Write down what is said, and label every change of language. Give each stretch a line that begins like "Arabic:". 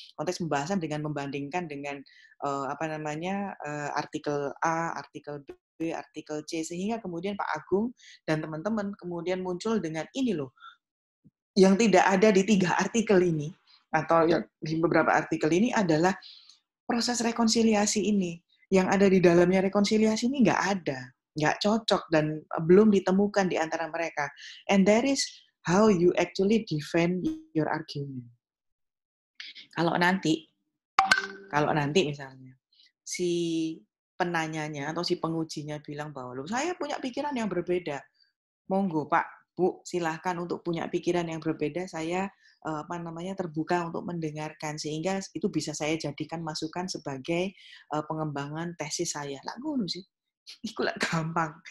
Indonesian: Konteks pembahasan dengan membandingkan dengan artikel A, artikel B, artikel C, sehingga kemudian Pak Agung dan teman-teman kemudian muncul dengan ini loh, yang tidak ada di tiga artikel ini atau ya, di beberapa artikel ini adalah proses rekonsiliasi ini. Yang ada di dalamnya rekonsiliasi ini nggak ada, nggak cocok dan belum ditemukan di antara mereka.
English: And that is how you actually defend your argument.
Indonesian: Kalau nanti misalnya si penanyanya atau si pengujinya bilang bahwa lo saya punya pikiran yang berbeda. Monggo Pak, Bu, silahkan untuk punya pikiran yang berbeda. Saya terbuka untuk mendengarkan sehingga itu bisa saya jadikan masukan sebagai pengembangan tesis saya.
Javanese: Lah ngono sih. Iku lah gampang.